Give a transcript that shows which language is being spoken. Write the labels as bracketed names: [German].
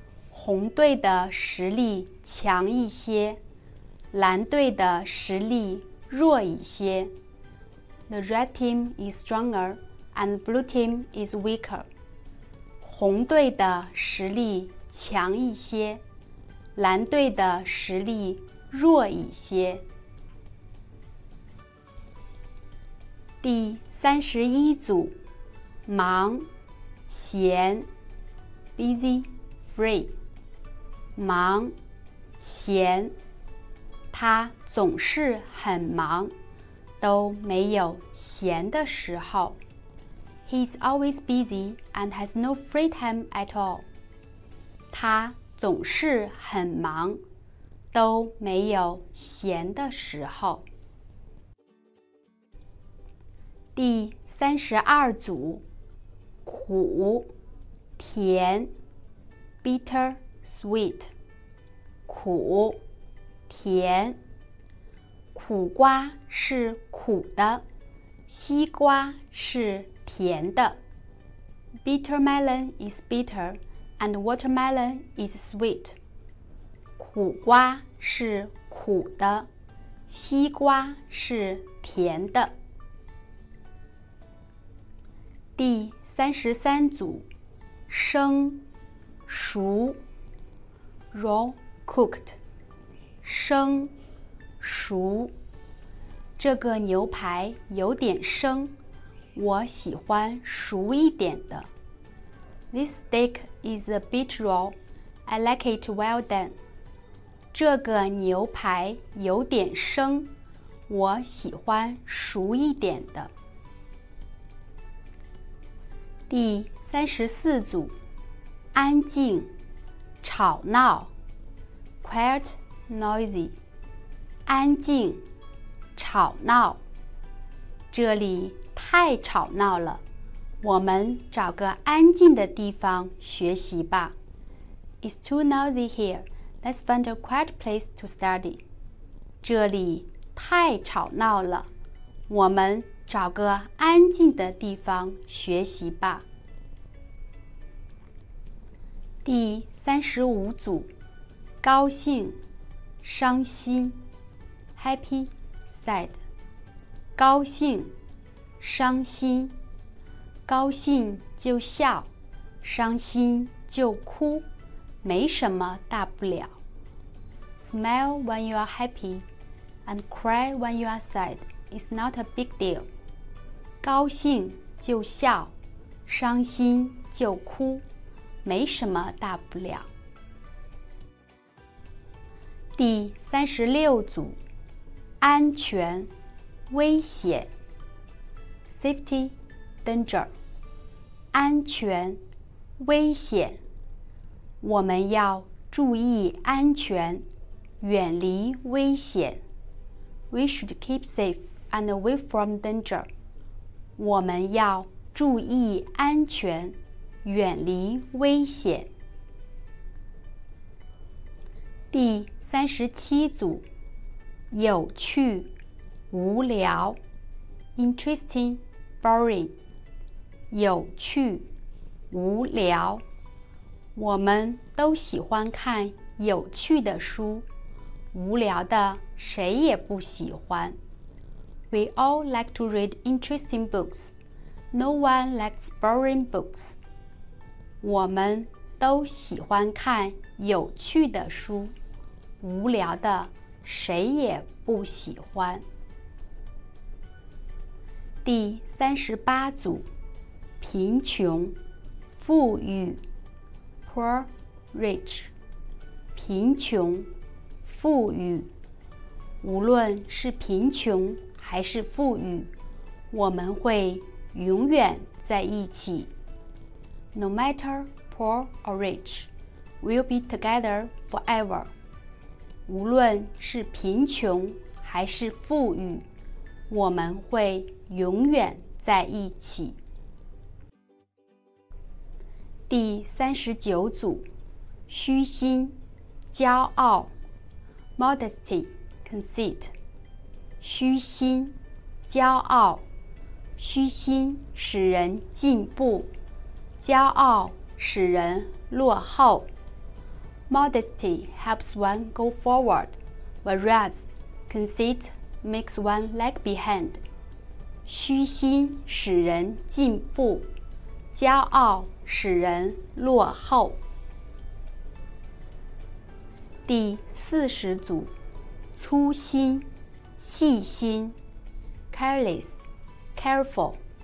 [Chinese] 红队的实力强一些，蓝队的实力弱一些。 [English] The red team is stronger and the blue team is weaker. [Chinese] 红队的实力强一些，蓝队的实力弱一些。第三十一组，忙，闲 ， [English] busy, free。 [Chinese] 忙，闲，他总是很忙，都没有闲的时候。 He's always busy and has no free time at all. 他总是很忙，都没有闲的时候。第三十二组，苦，甜 ， [English] bitter, sweet。 [Chinese] 苦，甜。苦瓜是苦的，西瓜是甜的。 Bitter melon is bitter, and watermelon is sweet. 苦瓜是苦的，西瓜是甜的。第三十三组，生，熟 [English] ，raw。 Cooked， [Chinese] 生，熟。这个牛排有点生，我喜欢熟一点的。 This steak is a bit raw. I like it well done. 这个牛排有点生，我喜欢熟一点的。第三十四组，安静，吵闹。 [English] Quiet, noisy. [Chinese] 安静，吵闹。这里太吵闹了，我们找个安静的地方学习吧。 [English] It's too noisy here. Let's find a quiet place to study. [Chinese] 这里太吵闹了，我们找个安静的地方学习吧。第三十五组，高兴，伤心 [English] ，happy, sad。 [Chinese] 高兴，伤心。高兴就笑，伤心就哭，没什么大不了。 [English] Smile when you are happy, and cry when you are sad. It's not a big deal. [Chinese] 高兴就笑，伤心就哭，没什么大不了。第三十六组，安全，危险 [English] ，safety, danger， [Chinese] 安全，危险。我们要注意安全，远离危险。 [English] We should keep safe and away from danger. [Chinese] 我们要注意安全，远离危险。第三十七组，有趣，无聊 [English] ，interesting, boring， [Chinese] 有趣，无聊。我们都喜欢看有趣的书，无聊的谁也不喜欢。 [English] We all like to read interesting books. No one likes boring books. [Chinese] 我们都喜欢看有趣的书，无聊的谁也不喜欢。第三十八组，贫穷，富裕 [English] ，poor, rich， [Chinese] 贫穷，富裕。无论是贫穷还是富裕，我们会永远在一起。 [English] No matter poor or rich, we'll be together forever. [Chinese] 无论是贫穷还是富裕，我们会永远在一起。第三十九组，虚心，骄傲 [English] ，modesty, conceit. [Chinese] 虚心，骄傲。虚心使人进步，骄傲使人落后。 [English] Modesty helps one go forward, whereas conceit makes one lag behind. [Chinese] 虚心使人进步，骄傲使人落后。第四十组，粗心，细心 [English] ，careless. Careful,